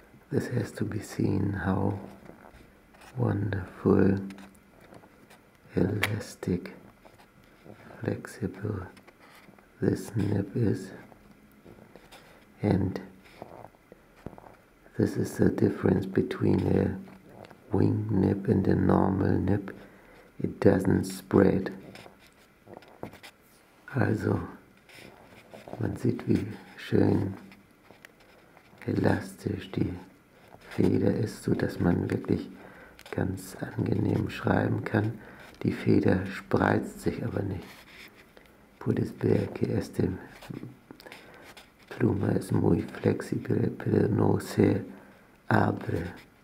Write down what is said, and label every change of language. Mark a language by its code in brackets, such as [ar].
[en] This has to be seen how wonderful, elastic, flexible this nib is. And this is the difference between a wing nib and a normal nib. It doesn't spread. [de] Also, man sieht, wie schön elastisch die Feder ist, so dass man wirklich ganz angenehm schreiben kann. Die Feder spreizt sich aber nicht. [es] Puedes ver que este pluma es muy flexible, pero no se abre.